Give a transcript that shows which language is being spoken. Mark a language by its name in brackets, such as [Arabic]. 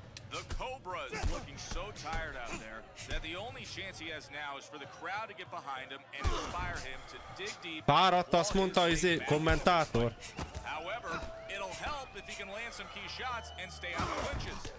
[English] The Cobra is looking so tired out there that the only chance he has now is for the crowd to get behind him and inspire him to dig deep. [Hungarian] Párat azt mondta az kommentátor. [English] However, it'll help if he can land some key shots and stay out of clinches.